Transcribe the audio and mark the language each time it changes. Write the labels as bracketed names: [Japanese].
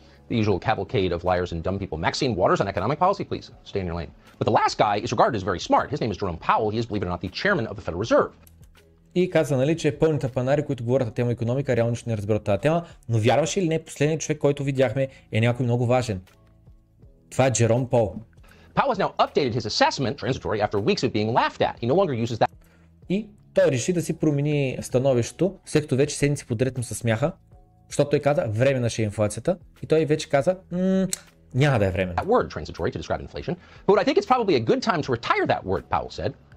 [English] The usual cavalcade of liars and dumb people. Maxine Waters on economic policy, please. Stay in your lane. But the last guy is regarded as very smart. His name is Jerome Powell. He is, believe it or not, the chairman of the Federal Reserve. [Bulgarian] И каза, нали, че пълните панари, които говорят на тема економика, реално ще не разберат тази тема, но вярваш ли не, последният човек, който видяхме, е някой много важен. Това е Джером Пол. [English] Powell has now updated his assessment transitory after weeks of being laughed at. He no longer uses that. [Bulgarian] И той реши да си промени становището, след като вече седмици подред му се смяха, защото той каза, временна ще е инфлацията, и той вече каза, няма да е временна. [English] That word transitory to describe inflation. But I think it's probably a good time to retire that word, Powell said.